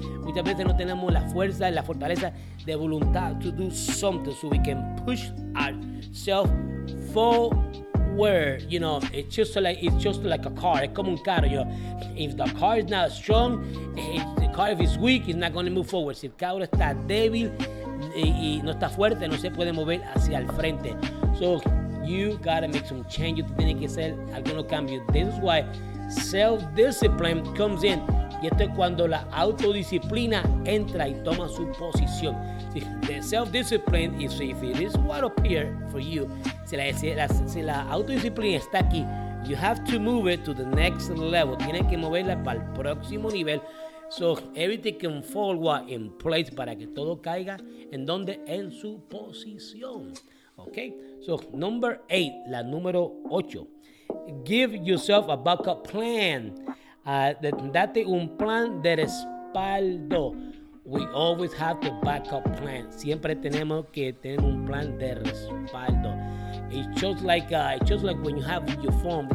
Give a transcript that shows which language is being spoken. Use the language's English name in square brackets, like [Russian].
[Spanish] Muchas veces no tenemos la fuerza, la fortaleza de voluntad [English] to do something so we can push ourselves forward. You know, it's just like a car. It's [Spanish] como un carro. [English] You know, if the car is not strong, the car if it's weak, it's not going to move forward. [Spanish] Si el carro está débil y no está fuerte, no se puede mover hacia el frente. [English] So you gotta make some change. You [Spanish] tiene que hacer algunos cambios. [English] This is why self-discipline comes in. [Spanish] Y esto es cuando la autodisciplina entra y toma su posición. [English] Si, the self-discipline is if it is what appears for you. [Spanish] Si la autodisciplina está aquí, [English] you have to move it to the next level. [Spanish] Tienes que moverla para el próximo nivel. [English] So everything can fall what in place [Spanish] para que todo caiga en donde en su posición. Okay. [English] So number 8, [Spanish] la número 8. [English] Give yourself a backup plan. [Spanish] Date un plan de respaldo. [English] We always have the backup plan. [Spanish] Siempre tenemos que tener un plan de respaldo. [English] It's just like when you have your phone.